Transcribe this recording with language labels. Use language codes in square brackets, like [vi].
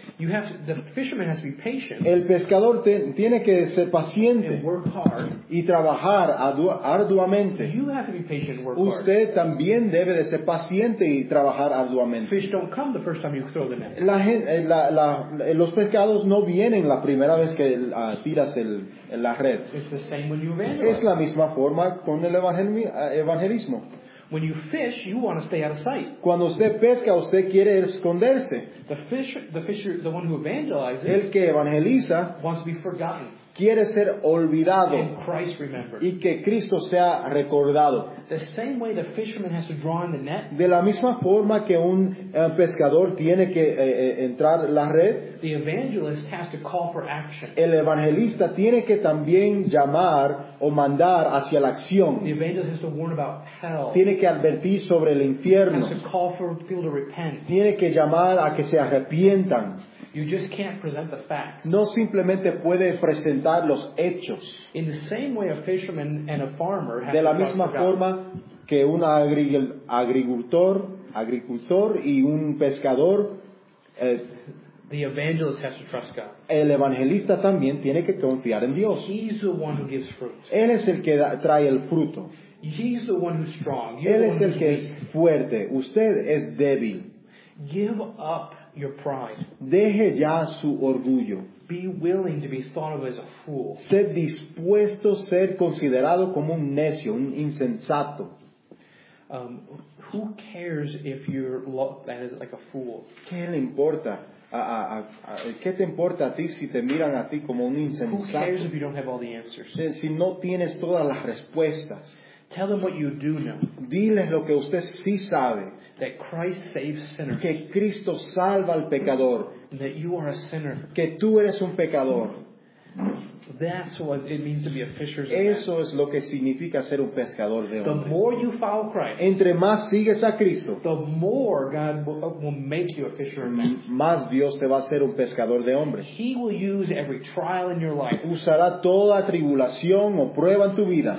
[en] You have to, the fisherman has to be patient. [es] El pescador tiene que ser paciente. [en] And work hard. [es] Y trabajar arduamente. [en] You have to be patient and work hard. [es] Usted también debe de ser paciente y trabajar arduamente. [en] Fish don't come the first time you throw them in. [es] Los pescados no vienen la primera vez que tiras la red. [en] It's the same when you evangelize. [es] Es la misma forma con el evangelismo. [en] When you fish, you want to stay out of sight. [es] Cuando usted pesca, usted quiere esconderse. [en] The one who evangelizes, [es] el que evangeliza, [en] wants to be forgotten. [es] Quiere ser olvidado. [en] And Christ remembered. [es] Y que Cristo sea recordado. [en] The same way the fisherman has to draw in the net. [es] De la misma forma que un pescador tiene que entrar la red. [en] The evangelist has to call for action. [es] El evangelista tiene que también llamar o mandar hacia la acción. [en] The evangelist has to warn about hell. [es] Tiene que advertir sobre el infierno. [en] Has to call for people to repent. [es] Tiene que llamar a que se arrepientan. [en] You just can't present the facts. [es] No simplemente puede presentar los hechos. [en] In the same way a fisherman and a farmer have [es] de la misma forma que un agricultor y un pescador [en] the evangelist has to trust God. [es] El evangelista también tiene que confiar en Dios. [en] He's the one who gives fruit. [es] Él es el que trae el fruto. [en] He's the one who's strong. [es] Él es el que es fuerte. Usted es débil. [en] Give up your pride. [es] Deje ya su orgullo. [en] Be willing to be thought of as a fool. [es] Ser dispuesto a ser considerado como un necio, un insensato. [en] Who cares if you're looked at as like a fool? [es] ¿Qué le importa? ¿Qué te importa a ti si te miran a ti como un insensato? [en] Who cares if you don't have all the answers? [es] Si no tienes todas las respuestas. [en] Tell them what you do know. [es] Diles lo que usted sí sabe. [en] That Christ saves sinners. [es] Que Cristo salva al pecador. [en] That you are a sinner. [es] Que tú eres un pecador. [en] That's what it means to be a fisher's man. [es] Eso es lo que significa ser un pescador de hombres. [en] The more you follow Christ, [es] entre más sigues a Cristo, [en] the more God will make you a fisher of men. [es] Más Dios te va a hacer un pescador de hombres. [en] He will use every trial in your life. [es] Usará toda tribulación o prueba en tu vida